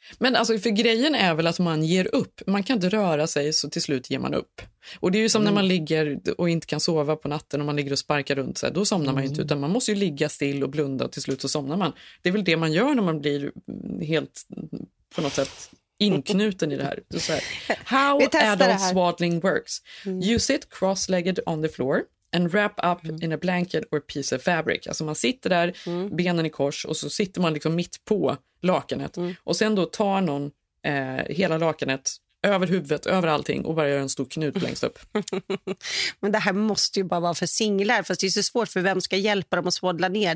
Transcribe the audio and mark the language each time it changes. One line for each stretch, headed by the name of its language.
Swedish: Men alltså för grejen är väl att man ger upp. Man kan inte röra sig så till slut ger man upp. Och det är ju som när man ligger och inte kan sova på natten och man ligger och sparkar runt sig. Då somnar man ju inte, utan man måste ju ligga still och blunda och till slut så somnar man. Det är väl det man gör när man blir helt på något sätt inknuten i det här. Så här.
English: How adult swaddling works. You sit cross-legged on the floor and wrap up in a blanket or piece of fabric.
Swedish: Alltså man sitter där, benen i kors, och så sitter man liksom mitt på lakanet. Och sen då tar någon hela lakanet över huvudet, över allting, och bara gör en stor knut längst upp. Men det här måste ju bara vara för singlar, för det är så svårt, för vem ska hjälpa dem att svådla ner?